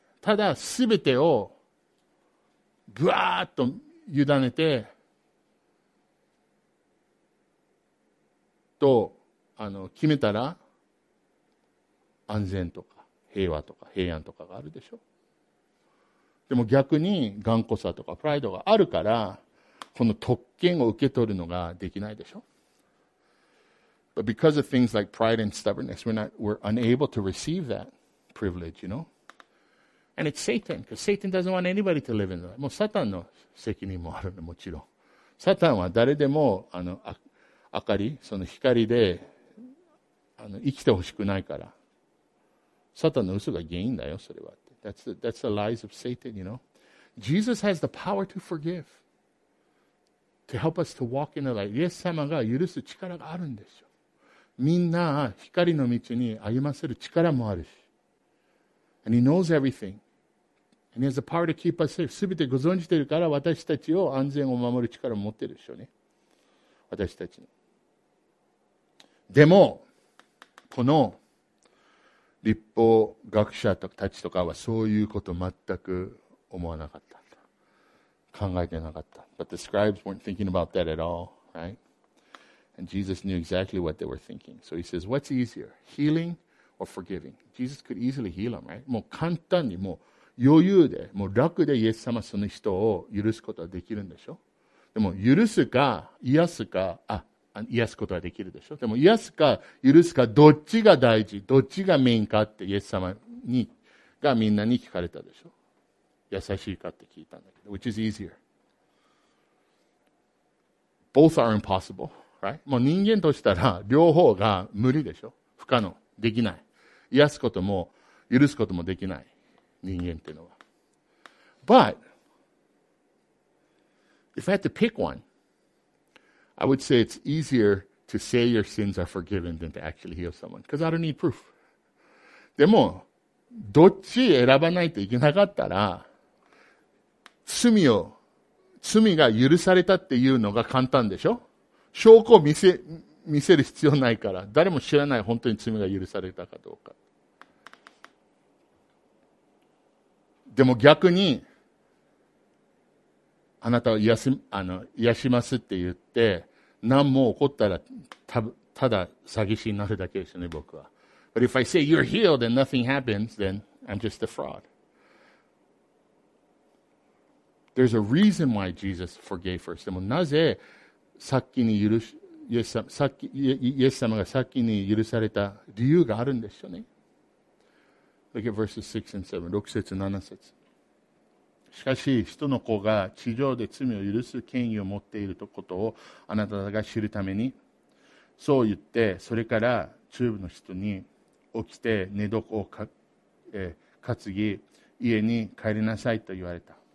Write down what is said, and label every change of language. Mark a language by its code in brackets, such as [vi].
[ja] ただすべてをぐわーっと委ねて、と、決めたら安全とか平和とか平安とかがあるでしょ。でも逆に頑固さとかプライドがあるから、この特権を受け取るのができないでしょ。 [en] But because of things like pride and stubbornness, we're unable to receive that privilege, you know? And it's Satan, because Satan doesn't want anybody to live in the light. [ja] もうサタンの責任もあるの、もちろん。サタンは誰でも、明かり、その光で、生きてほしくないから。サタンの嘘が原因だよ、それは。 [en] That's the lies of Satan, you know? Jesus has the power to forgive. To help us to walk in the light. [ja] イエス様が許す力があるんですよ。みんな光の道に歩ませる力もあるし。 [en] And he knows everything. And he has the power to keep us safe. [ja] すべてご存じてるから私たちを安全を守る力を持ってるでしょうね。私たちの。でも、この立法、学者たちとかはそういうこと全く思わなかったんだ。考えてなかった。 [en] But the scribes weren't thinking about that at all, right? And Jesus knew exactly what they were thinking. So he says, what's easier, healing or forgiving? Jesus could easily heal them, right? [ja] もう簡単に、もう余裕で、もう楽でイエス様その人を許すことはできるんでしょ？でも許すか癒すか、癒すことはできるでしょ。でも癒すか許すかどっちが大事、どっちがメインかってイエス様にがみんなに聞かれたでしょ。優しいかって聞いたんだけど、 [en] which is easier? Both are impossible, right? [ja] もう人間としたら両方が無理でしょ。不可能、できない。癒すことも許すこともできない人間っていうのは。 [en] But if I had to pick one,I would say it's easier to say your sins are forgiven than to actually heal someone. Because I don't need proof. [ja] でも、どっち選ばないといけなかったら、罪が許されたっていうのが簡単でしょ？証拠を見せる必要ないから、誰も知らない本当に罪が許されたかどうか。でも逆に、あなたを癒しますって言って何も起こったら ただ詐欺師になるだけですよね、僕は。 [en] But if I say you're healed and nothing happens, then I'm just a fraud. There's a reason why Jesus forgave first. [ja] でもなぜイエス様が先に許された理由があるんでしょうね。 [en] Look at verses 6 and 7. [ja] 6節7節。しかし人の子が地上で罪を許す権威を持っていることをあなたが知るために、そう言って、それから中部の人に起きて寝床を担ぎ家に帰りなさいと言われた。